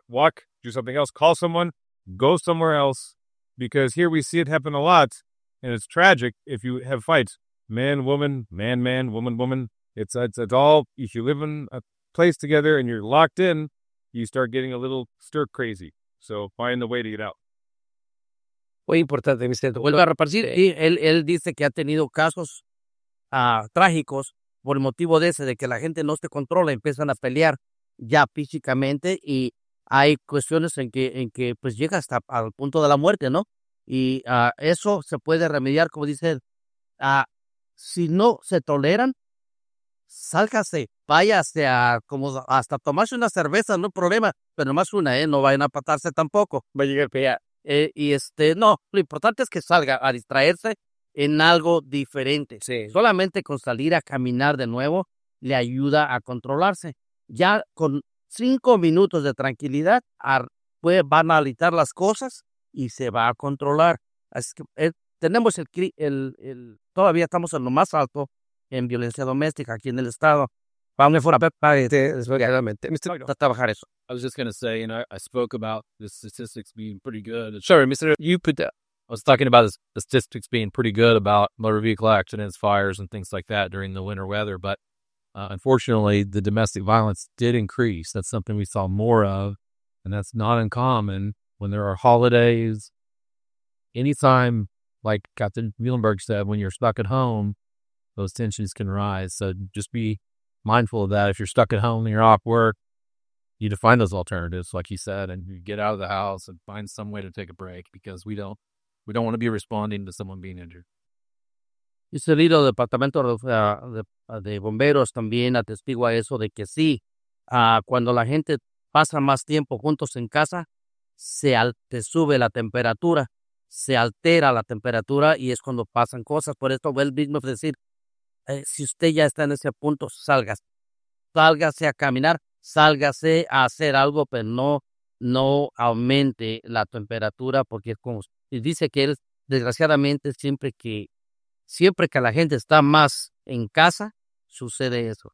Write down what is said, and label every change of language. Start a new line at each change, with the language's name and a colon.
English: Walk, do something else, call someone, go somewhere else, because here we see it happen a lot, and it's tragic if you have fights. Man, woman, woman. It's all, if you live in a place together and you're locked in, you start getting a little stir crazy. So find the way to get out.
Spanish: Muy importante, Vicente. Vuelvo a repartir. Sí. Él dice que ha tenido casos trágicos por el motivo de ese, de que la gente no se controla, empiezan a pelear ya físicamente y hay cuestiones en que pues llega hasta al punto de la muerte, ¿no? Y eso se puede remediar, como dice él. Si no se toleran, sálgase. Váyase a como hasta tomarse una cerveza, no problema, pero más una, no vayan a patarse tampoco. Va a llegar allá. No, lo importante es que salga a distraerse en algo diferente. Sí. Solamente con salir a caminar de nuevo le ayuda a controlarse. Ya con 5 minutos de tranquilidad puede banalizar las cosas y se va a controlar. Así que tenemos el todavía estamos en lo más alto en violencia doméstica aquí en el estado.
English: I was just going to say, you know, I spoke about the statistics being pretty good. Sure, Mr. You put that. I was talking about the statistics being pretty good about motor vehicle accidents, fires, and things like that during the winter weather. But unfortunately, the domestic violence did increase. That's something we saw more of. And that's not uncommon when there are holidays. Anytime, like Captain Muhlenberg said, when you're stuck at home, those tensions can rise. So just be mindful of that. If you're stuck at home and you're off work, you need to find those alternatives, like you said, and you get out of the house and find some way to take a break, because we don't want to be responding to someone being injured.
Spanish: Dice el líder del departamento de bomberos también atestigua eso de que sí, cuando la gente pasa más tiempo juntos en casa, se sube la temperatura. se altera la temperatura y es cuando pasan cosas. Por esto, Bell Bigman fue decir, si usted ya está en ese punto, sálgase a caminar, sálgase a hacer algo, pero no aumente la temperatura, porque es como, y dice que él, desgraciadamente, siempre que la gente está más en casa, sucede eso.